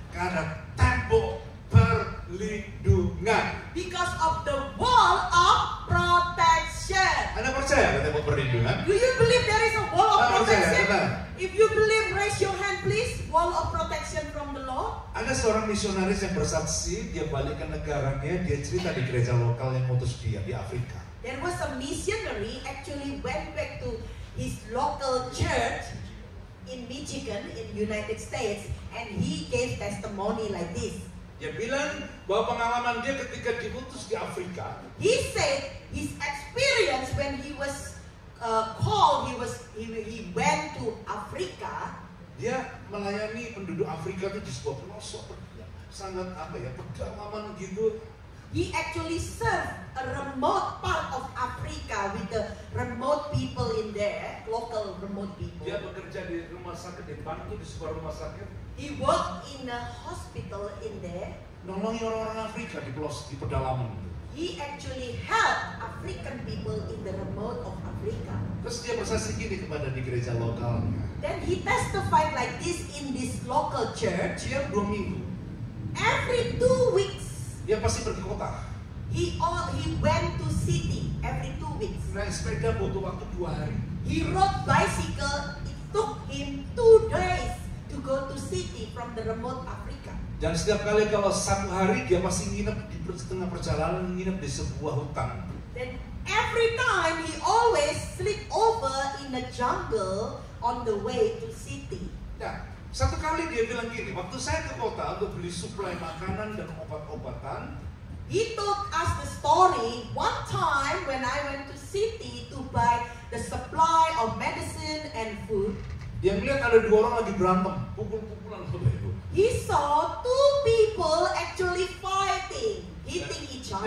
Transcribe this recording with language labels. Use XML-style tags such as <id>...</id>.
<id>Karena tembok perlindungan.</id> <en>Because of the wall of protection.</en> <id>Anda percaya ada tembok perlindungan?</id> <en>Do you believe there is a wall of protection?</en> <id>Percaya,</id> <en>if you believe, raise your hand please. Wall of protection from the law.</en> <id>Ada seorang misionaris yang bersaksi, dia balik ke negaranya, dia cerita di gereja lokal yang ngutus dia di Afrika.</id> <en>There was a missionary actually went back to his local church in Michigan in United States and he gave testimony like this.</en> <id>Dia bilang bahwa pengalaman dia ketika diutus di Afrika.</id> <en>He said his experience when he was called, he went to Africa.</en> <id>Dia melayani penduduk Afrika itu di sebuah pelosok, sangat apa ya, pedalaman gitu.</id> <en>He actually served a remote part of Africa with the remote people in there, local remote people.</en> <id>Dia bekerja di rumah sakit, dibantu di sebuah rumah sakit.</id> <en>He worked in a hospital in there.</en> <id>Nolongi orang-orang Afrika di pelosok, di pedalaman.</id> <en>He actually helped African people in the remote of Africa.</en> <id>Terus dia bersaksi gini kepada di gereja lokalnya.</id> <en>Then he testified like this in this local church.</en> <id>Dia 2 minggu.</id> <en>Every 2 weeks.</en> <id>Dia pasti pergi kota.</id> <en>He went to city every 2 weeks.</en> <id>Naik sepeda butuh waktu 2 hari.</id> <en>He rode bicycle. It took him 2 days to go to city from the remote Africa.</en> <id>Dan setiap kali kalau 1 hari dia pasti nginep di setengah perjalanan, nginep di sebuah hutan.</id> <en>Then every time he always sleep over in a jungle on the way to city.</en> <id>Nah, satu kali dia bilang gini, waktu saya ke kota untuk beli suplai makanan dan obat-obatan.</id> <en>He told us the story one time when I went to city to buy the supply of medicine and food.</en> <id>Dia melihat ada dua orang lagi berantem, pukul-pukulan sama itu.</id> <en>He saw two people actually fighting, hitting each other.</en>